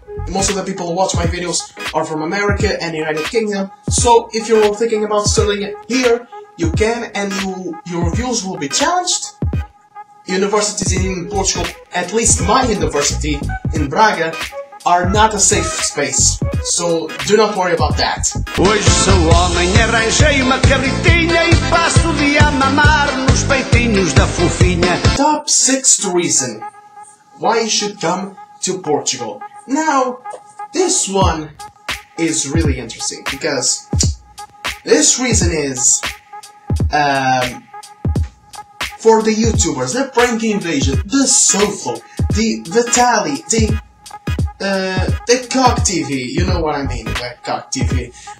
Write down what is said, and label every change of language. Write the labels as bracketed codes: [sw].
[en] most of the people who watch my videos are from America and the United Kingdom. So if you're thinking about selling it here, you can, and your reviews will be challenged. Universities in Portugal, at least my university in Braga, are not a safe space. So do not worry about that. [pt] Hoje sou homem, arranjei uma cabritinha e passo o dia a mamar nos peitinhos da fofinha. [en] Top 6th reason why you should come to Portugal. Now, this one is really interesting because this reason is for the YouTubers, the Prank Invasion, the Soflo, the Vitaly, the Cock TV, you know what I mean, the Cock TV.